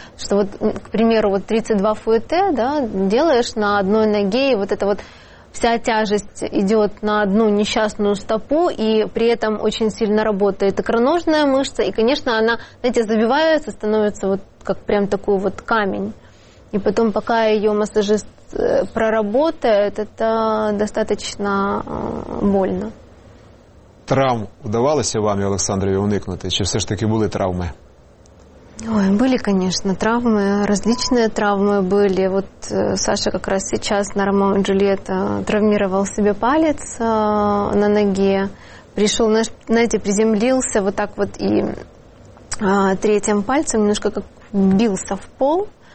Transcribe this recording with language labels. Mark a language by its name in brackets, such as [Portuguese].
[Russian] Что вот, к примеру, вот 32 фуэте, да, делаешь на одной ноге, и вот это вот вся тяжесть идет на одну несчастную стопу, и при этом очень сильно работает икроножная мышца, и, конечно, она, знаете, забивается, становится вот как прям такой вот камень. И потом, пока ее массажист проработает, это достаточно больно. [Ukrainian] Травм удавалось вам, Олександрові, уникнути? Чи все ж таки були травми? [Russian] Ой, были, конечно, травмы, различные травмы были. Вот Саша как раз сейчас на Ромео и Джульетта травмировал себе палец на ноге. Пришел, знаете, приземлился вот так вот и третьим пальцем немножко как бился в пол.